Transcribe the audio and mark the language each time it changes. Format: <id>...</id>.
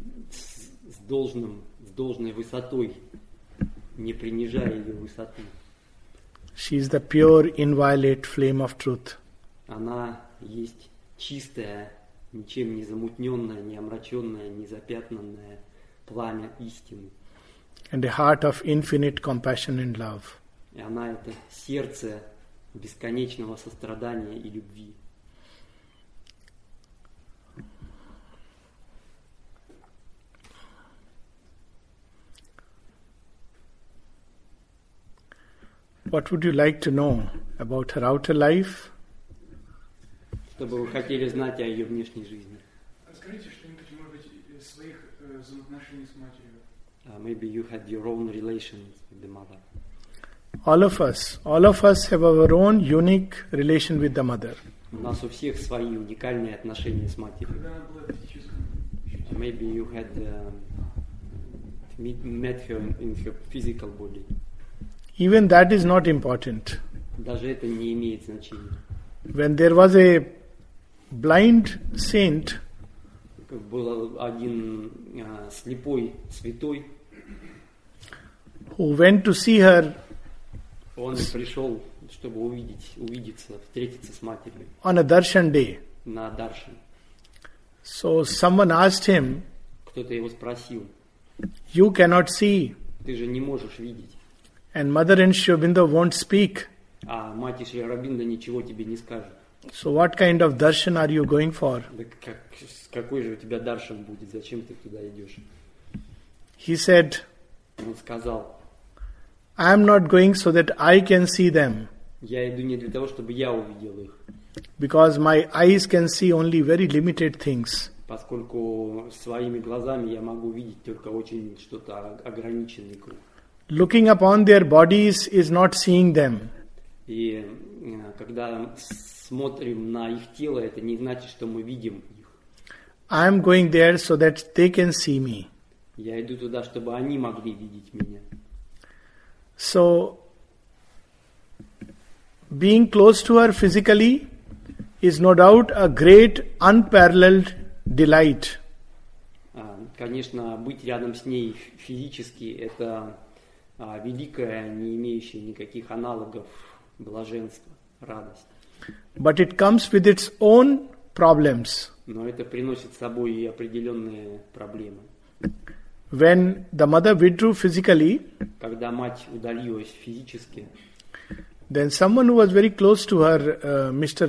<ru>С должной высотой, не принижая ее высоты.</ru> <en>She is the pure inviolate flame of truth.</en> <ru>Она есть чистая, ничем не замутненная, не омраченная, не запятнанная пламя истины.</ru> <en>And a heart of infinite compassion and love.</en> <ru>И она — это сердце бесконечного сострадания и любви.</ru> <en>What would you like to know about her outer life?</en> <ru>Что бы вы хотели знать о ее внешней жизни? Расскажите что-нибудь, может быть, из своих взаимоотношений с матерью.</ru> <en>Maybe you had your own relations with the mother. All of us have our own unique relation with the mother.</en> <ru>У нас у всех свои уникальные отношения с матерью.</ru> <en>Maybe you had met her in her physical body. Even that is not important.</en> <ru>Даже это не имеет значения.</ru> <en>When there was a blind saint,</en> <ru>был один слепой святой,</ru> <en>who went to see her.</en> <ru>Он пришел, чтобы увидеться, встретиться с матерью.</ru> <en>On a darshan day.</en> <ru>На даршан.</ru> <en>So someone asked him.</en> <ru>Кто-то его спросил.</ru> <en>You cannot see.</en> <ru>Ты же не можешь видеть.</ru> <en>And mother and Sri Aurobindo won't speak.</en> <ru>А мать и Шри Аурабиндо ничего тебе не скажут.</ru> <en>So what kind of darshan are you going for?</en> <ru>Какой же у тебя даршан будет? Зачем ты туда идешь?</ru> <en>He said.</en> <ru>Он сказал.</ru> <en>I am not going so that I can see them.</en> <ru>Я иду не для того, чтобы я увидел их.</ru> <en>Because my eyes can see only very limited things.</en> <ru>Поскольку своими глазами я могу видеть только очень что-то ограниченный круг.</ru> <en>Looking upon their bodies is not seeing them.</en> <ru>И когда смотрим на их тело, это не значит, что мы видим их.</ru> <en>I am going there so that they can see me.</en> <ru>Я иду туда, чтобы они могли видеть меня.</ru> <en>So, being close to her physically is no doubt a great unparalleled delight.</en> <ru>Конечно, быть рядом с ней физически – это великое, не имеющее никаких аналогов, блаженство, радость.</ru> <en>But it comes with its own problems.</en> <ru>Но это приносит с собой и определенные проблемы.</ru> <en>When the mother withdrew physically,</en> <ru>когда мать удалилась физически,</ru> <en>then someone who was very close to her, Mr.</en>